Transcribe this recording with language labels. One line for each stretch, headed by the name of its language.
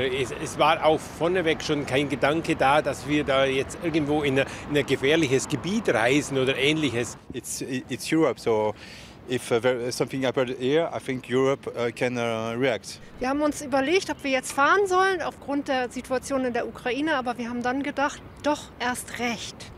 German: Es war auch vorneweg schon kein Gedanke da, dass wir da jetzt irgendwo in ein gefährliches Gebiet reisen oder ähnliches.
English: It's Europe, so. If something happened here, I think Europe can react.
German: Wir haben uns überlegt, ob wir jetzt fahren sollen aufgrund der Situation in der Ukraine, aber wir haben dann gedacht, doch erst recht.